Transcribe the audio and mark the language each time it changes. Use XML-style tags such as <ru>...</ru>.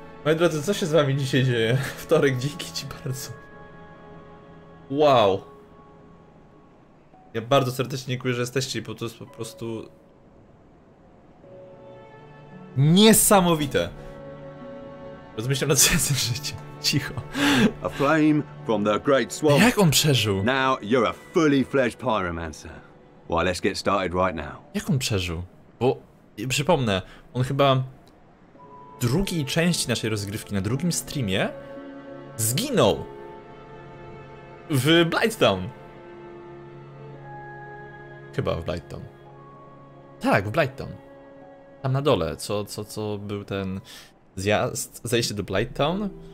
<pl>Moi drodzy, co się z wami dzisiaj dzieje? Wtorek, dzięki ci bardzo. Wow. Ja bardzo serdecznie dziękuję, że jesteście, bo to jest po prostu... niesamowite! Rozmyślam nad sensem życia. Cicho.</pl> <en>A flame from the great swamp.</en> <pl>Jak on przeżył?</pl> <en>Now you're a fully fledged pyromancer. Well, let's get started right now.</en> <pl>Jak on przeżył? Bo, przypomnę, on chyba... w drugiej części naszej rozgrywki, na drugim streamie... zginął! W Blightstown! Chyba w Blighttown. Tak, w Blighttown. Tam na dole, co był ten zjazd, zejście do Blighttown.</pl>